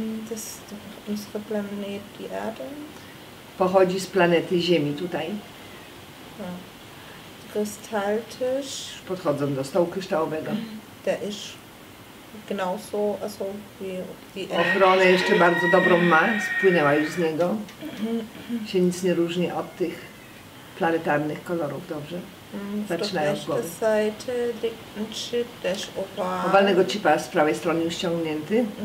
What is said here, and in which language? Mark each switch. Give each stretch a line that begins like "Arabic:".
German: Das ist unsere Planet, die Erde.
Polish: Pochodzi z planety Ziemi tutaj.
German: Kristalltisch.
Polish: Podchodzą do stołu kryształowego.
German: Der ist. Genauso, also
Polish: ochronę jeszcze bardzo dobrą ma, spłynęła już z niego. Się nic nie różni od tych planetarnych kolorów, dobrze? Zaczynają z głowy.
German: Seite liegt ein Chip, der ist oval.
Polish: Owalnego chipa z prawej strony już ściągnięty.